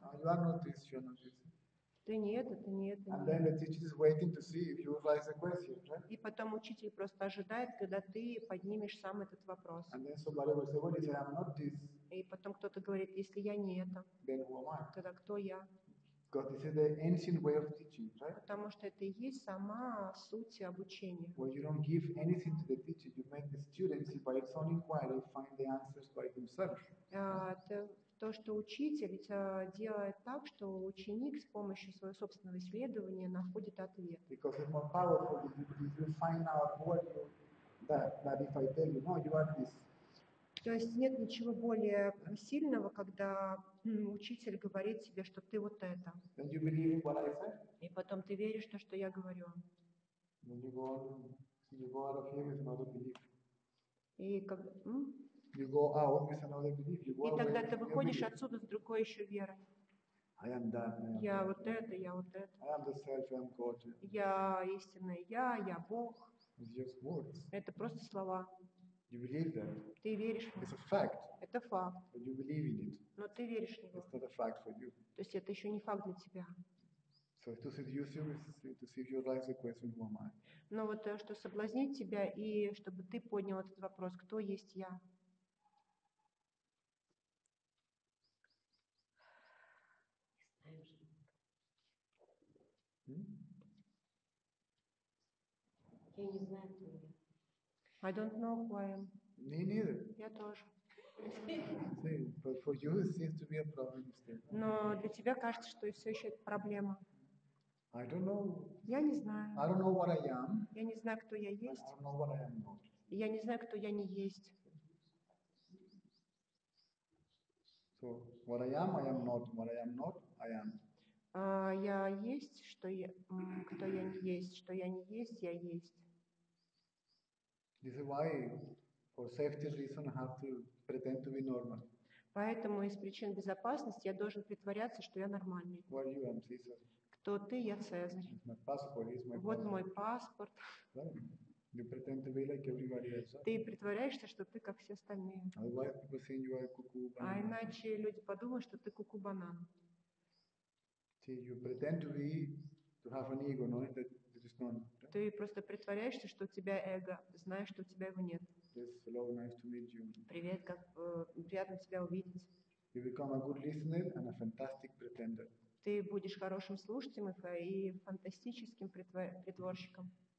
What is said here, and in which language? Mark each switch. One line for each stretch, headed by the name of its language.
English: No, you are not this, you are not this.
Russian: Ты не это, ты не это.
English: And then the teacher is waiting to see if you raise the question, right?
Russian: И потом учитель просто ожидает, когда ты поднимешь сам этот вопрос.
English: And then somebody will say, well, if I am not this.
Russian: И потом кто-то говорит, если я не это.
English: Then who am I?
Russian: Тогда кто я?
English: Because this is the ancient way of teaching, right?
Russian: Потому что это и есть сама суть обучения.
English: Well, you don't give anything to the teacher. You make the students, by its own inquiry, find the answers by themselves.
Russian: То, что учитель делает так, что ученик с помощью своего собственного исследования находит ответ.
English: Because it's more powerful, you find out what you that if I tell you, no, you are this.
Russian: То есть нет ничего более сильного, когда учитель говорит тебе, что ты вот это.
English: And you believe what I said?
Russian: И потом ты веришь в то, что я говорю.
English: When you go out of here with another belief.
Russian: И как
English: You go out with another belief. You go
Russian: и тогда ты выходишь
English: belief.
Russian: Отсюда с другой еще верой.
English: I am that, I am
Russian: я
English: that.
Russian: Вот это, я вот это.
English: I am the self, I am God.
Russian: Я истинное я Бог. Это просто слова.
English: You believe that.
Russian: Ты веришь в это.
English: It's a fact.
Russian: Это факт.
English: But you believe in it.
Russian: Но ты веришь в него.
English: It's not a fact for you.
Russian: То есть это еще не факт для тебя.
English: So to seduce you, to save your life, the question, who am I?
Russian: Но вот что соблазнить тебя и чтобы ты поднял этот вопрос, кто есть я? Я не знаю, кто я.
English: I don't know who I am. Me neither.
Russian: Я тоже.
English: But for you, it seems to be a problem still.
Russian: Но для тебя кажется, что все еще это проблема.
English: I don't know.
Russian: Я не знаю.
English: I don't know what I am.
Russian: Я не знаю, кто я есть.
English: I don't know what I am not.
Russian: Я не знаю, кто я не есть.
English: So what I am not. What I am not, I am.
Russian: Я есть, что я, кто я не есть, что я не есть, я есть.
English: This is why, for safety reason, I have to pretend to be normal.
Russian: Поэтому из причин безопасности я должен притворяться, что я нормальный.
English: Who are you? I'm Caesar.
Russian: Кто ты? Я Цезарь.
English: My passport is my passport.
Russian: Вот мой паспорт.
English: You pretend to be like everybody else.
Russian: Ты притворяешься, что ты как все остальные.
English: Otherwise people think you are cuckoo banana.
Russian: А иначе люди подумают, что ты куку банан.
English: You pretend to be, to have an ego, knowing that there is none.
Russian: Ты просто притворяешься, что у тебя эго, зная, что у тебя его нет.
English: Yes, hello, nice to meet you.
Russian: Привет, как приятно тебя увидеть.
English: You become a good listener and a fantastic pretender.
Russian: Ты будешь хорошим слушателем и фантастическим притворщиком.